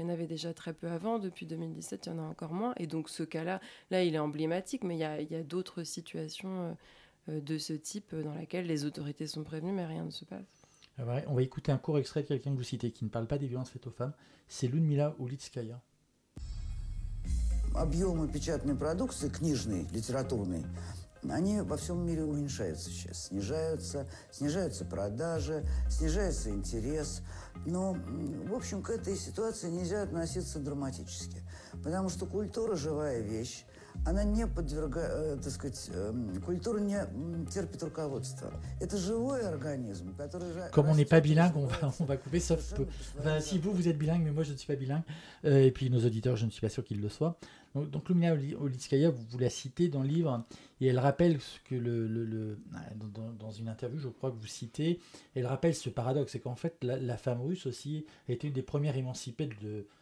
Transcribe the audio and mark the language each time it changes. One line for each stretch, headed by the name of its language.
French: Il y en avait déjà très peu avant, depuis 2017, il y en a encore moins. Et donc ce cas-là, là, il est emblématique, mais il y a d'autres situations de ce type dans lesquelles les autorités sont prévenues, mais rien ne se passe. Ouais, on va écouter un court extrait de quelqu'un que vous citez qui ne parle pas des violences faites aux femmes. C'est Ludmila Ulitskaya.
Russian: Объемы печатной продукции, книжной, литературной, они во всем мире уменьшаются сейчас. Снижаются продажи, снижается интерес. Но, в общем, к этой ситуации нельзя относиться драматически. Потому что культура – живая вещь. Она не подвергает, так сказать, культура не терпит руководства. Это живой организм, который...
French: Comme on n'est pas bilingue, on va couper, sauf... Si vous êtes bilingue, mais moi, je ne suis pas bilingue. Et puis, nos auditeurs, je ne suis pas sûr qu'ils le soient. Donc Lumina Ulitskaya, vous la citez dans le livre, et elle rappelle ce que dans une interview, je crois que vous citez, elle rappelle ce paradoxe, c'est qu'en fait, la femme russe aussi a été une des premières émancipées de...